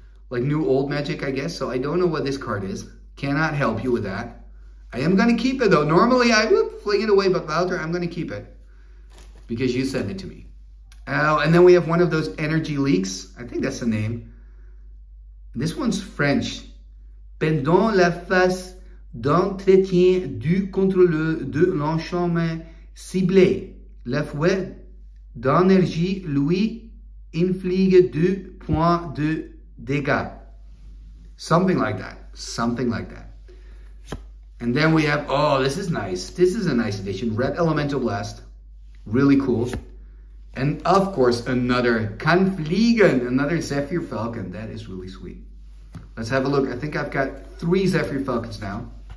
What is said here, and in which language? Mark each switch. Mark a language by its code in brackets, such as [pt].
[en] Like new old magic, I guess. So I don't know what this card is. Cannot help you with that. I am going to keep it, though. Normally, I would fling it away, but Wouter, I'm going to keep it. Because you sent it to me. And then we have one of those energy leaks. I think that's the name. This one's French. [fr] Pendant la phase d'entretien du contrôle de l'enchantement ciblé, la fouette d'énergie lui inflige 2 points de dégâts. [en] Something like that. Something like that. And then we have, oh, this is nice. This is a nice addition. Red Elemental Blast. Really cool. And of course, another Kann Fliegen, another Zephyr Falcon. That is really sweet. Let's have a look. I think I've got 3 Zephyr Falcons now.